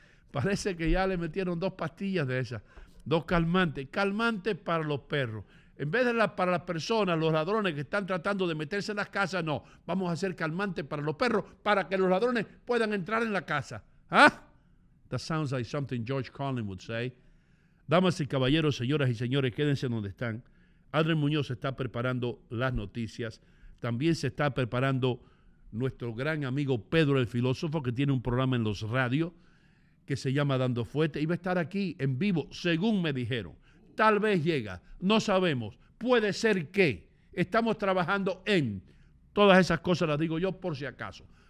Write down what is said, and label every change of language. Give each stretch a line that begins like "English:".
Spanish: Parece que ya le metieron dos pastillas de esas, dos calmantes, calmantes para los perros. En vez de para las personas, los ladrones que están tratando de meterse en las casas, no. Vamos a hacer calmante para los perros, para que los ladrones puedan entrar en la casa. ¿Ah?
English: That sounds like something George Carlin would say.
Spanish: Damas y caballeros, señoras y señores, quédense donde están. Adrián Muñoz está preparando las noticias. También se está preparando nuestro gran amigo Pedro el Filósofo, que tiene un programa en los radios que se llama Dando Fuerte. Y va a estar aquí en vivo, según me dijeron. Tal vez llega, no sabemos, puede ser que estamos trabajando en todas esas cosas, las digo yo por si acaso.